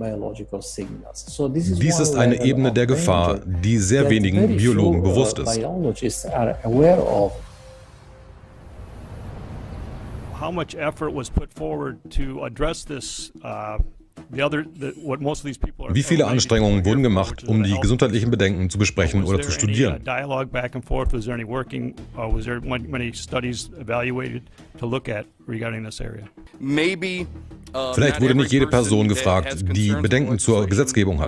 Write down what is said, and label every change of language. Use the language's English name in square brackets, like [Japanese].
[German] Dies ist eine Ebene der Gefahr, die sehr wenigen Biologen bewusst ist. [English] How much effort was put forward to address this? [German] Wie viele Anstrengungen wurden gemacht, um die gesundheitlichen Bedenken zu besprechen oder zu studieren? Vielleicht wurde nicht jede Person gefragt, die Bedenken zur Gesetzgebung hat.